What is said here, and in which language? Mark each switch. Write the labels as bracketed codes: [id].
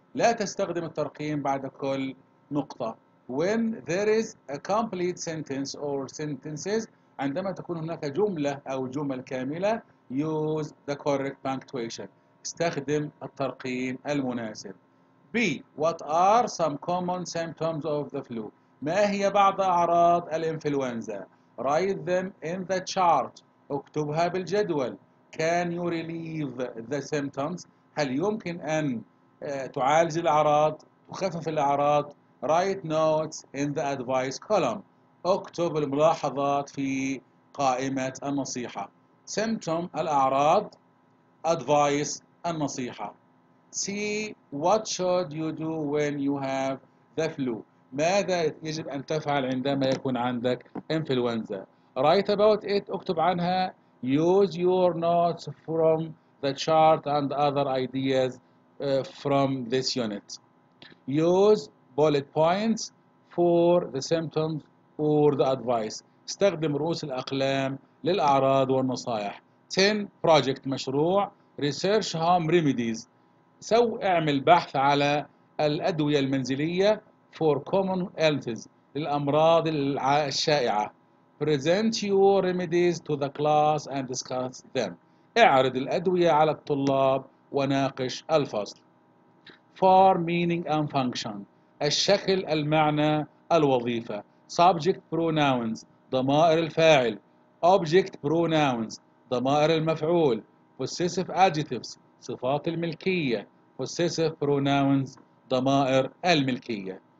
[ar] لا تستخدم الترقيم بعد كل نقطة. [en] When there is a complete sentence or sentences, [ar] عندما تكون هناك جملة أو جمل كاملة, [en] use the correct punctuation. [ar] استخدم الترقيم المناسب. [en] B. What are some common symptoms of the flu? [ar] ما هي بعض أعراض الإنفلونزا؟ [en] Write them in the chart. [ar] اكتبها بالجدول. [en] Can you relieve the symptoms? [ar] هل يمكن أن تعالج الأعراض؟ تخفف الأعراض؟ [en] Write notes in the advice column. [ar] اكتب الملاحظات في قائمة النصيحة. [en] Symptom الأعراض. Advice النصيحة. See what should you do when you have the flu. [ar] ماذا يجب أن تفعل عندما يكون عندك إنفلونزا؟ [en] Write about it. [ar] اكتب عنها. [en] Use your notes from the chart and other ideas from this unit. Use bullet points for the symptoms or the advice. [ar] استخدم رؤوس الأقلام للأعراض والنصائح. [en] 10 project مشروع. Research home remedies. [ar] اعمل بحث على الأدوية المنزلية [en] for common illnesses, [ar] للأمراض الشائعة. [en] Present your remedies to the class and discuss them. [ar] اعرض الأدوية على الطلاب وناقش الفصل. [en] For meaning and function. [ar] الشكل, المعنى, الوظيفة. [en] subject pronouns [ar] ضمائر الفاعل, [en] object pronouns [ar] ضمائر المفعول, [en] possessive adjectives [ar] صفات الملكية, [en] possessive pronouns [ar] ضمائر الملكية.